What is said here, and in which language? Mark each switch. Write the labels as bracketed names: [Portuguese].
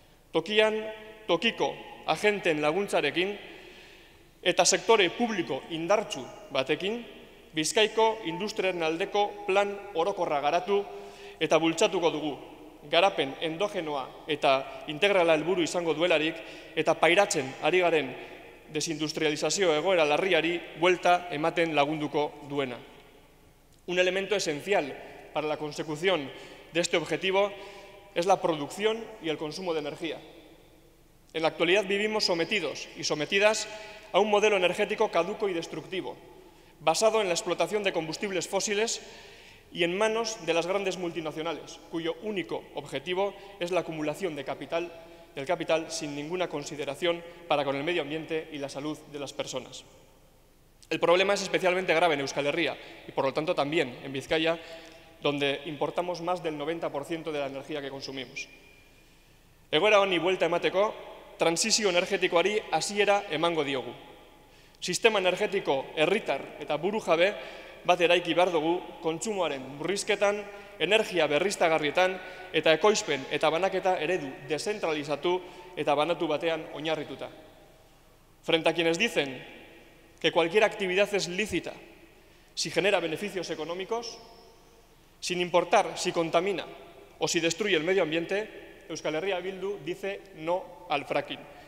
[Basque] Tokian, tokiko agenten laguntzarekin eta sektore publiko indartsu batekin, Bizkaiko industriaren aldeko plan orokorra garatu eta bultzatuko dugu, garapen endogenoa eta integrala helburu izango duelarik eta pairatzen ari garen desindustrializazio egoera larriari buelta ematen lagunduko duena. [Spanish] Un elemento esencial para la consecución de este objetivo es la producción y el consumo de energía. En la actualidad vivimos sometidos y sometidas a un modelo energético caduco y destructivo, basado en la explotación de combustibles fósiles y en manos de las grandes multinacionales, cuyo único objetivo es la acumulación de capital, del capital sin ninguna consideración para con el medio ambiente y la salud de las personas. El problema es especialmente grave en Euskal Herria y, por lo tanto, también en Vizcaya, donde importamos más del 90% de la energía que consumimos. [Basque] Egoera honi buelta emateko, transizio energetikoari hasiera emango diogu. Sistema energetiko herritar eta burujabe bat eraiki behar dugu kontsumoaren murrizketan, energia berriztagarrietan eta ekoizpen eta banaketa eredu dezentralizatu eta banatu batean oinarrituta. [Spanish] Frente a quienes dicen que cualquier actividad es lícita si genera beneficios económicos, sin importar si contamina o si destruye el medio ambiente, Euskal Herria Bildu dice no al fracking.